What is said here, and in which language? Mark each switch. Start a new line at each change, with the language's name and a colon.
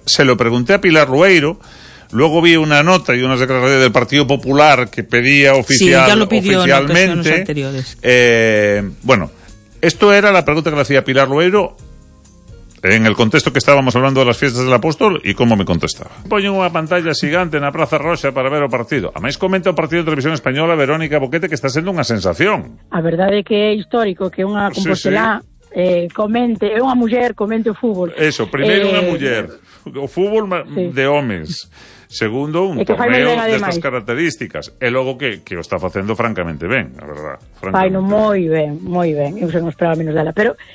Spanish: Se lo pregunté a Pilar Rueiro, luego vi una nota y unas declaraciones del Partido Popular que pedía oficialmente. Sí, ya lo pidió en ocasiones anteriores. Bueno, esto era la pregunta que le hacía Pilar Rueiro en el contexto que estábamos hablando de las fiestas del apóstol, y cómo me contestaba.
Galician: Ponen una pantalla gigante en la Plaza Roxa para ver o partido. A máis comenta o partido de Televisión Española, Verónica Boquete, que está sendo unha sensación. A verdade é que é histórico que unha compostelá comente, é unha muller, comente o fútbol. Eso, primeiro unha muller, o fútbol de homens. Segundo, un torneo destas características. E logo que o está facendo francamente ben, a verdade. Faino moi ben. Eu se non esperaba menos dela, pero...